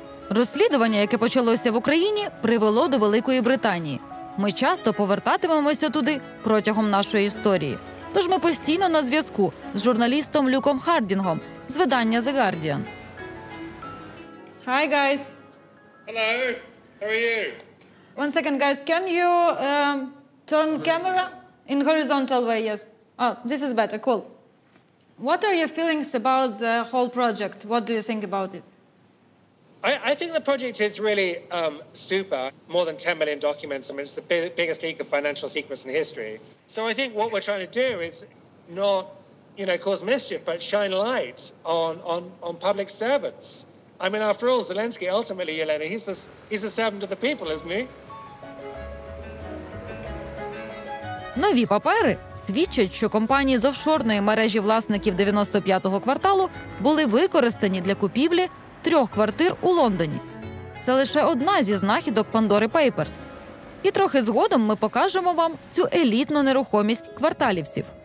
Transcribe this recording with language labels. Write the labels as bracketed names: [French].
[Ukrainian] Розслідування, яке почалося в Україні, привело до Великої Британії. Ми часто повертатимемося туди протягом нашої історії. Тож ми постійно на зв'язку з журналістом Люком Хардінгом з видання The Guardian. [English] Hi guys. Hello. How are you? One second guys, can you turn camera in horizontal way? Yes. Oh, this is better. Cool. What are your feelings about the whole project? What do you think about it? I think the project is really super. More than 10 million documents. I mean, it's the biggest leak of financial secrets in history. So I think what we're trying to do is not, you know, cause mischief, but shine light on public servants. I mean, after all, Zelensky, ultimately, Yelena, he's the servant of the people, isn't he? [Ukrainian] Нові папери свідчать, що компанії з офшорної мережі власників 95-го кварталу були використані для купівлі трьох квартир у Лондоні. Це лише одна зі знахідок Pandora Papers. І трохи згодом ми покажемо вам цю елітну нерухомість кварталівців.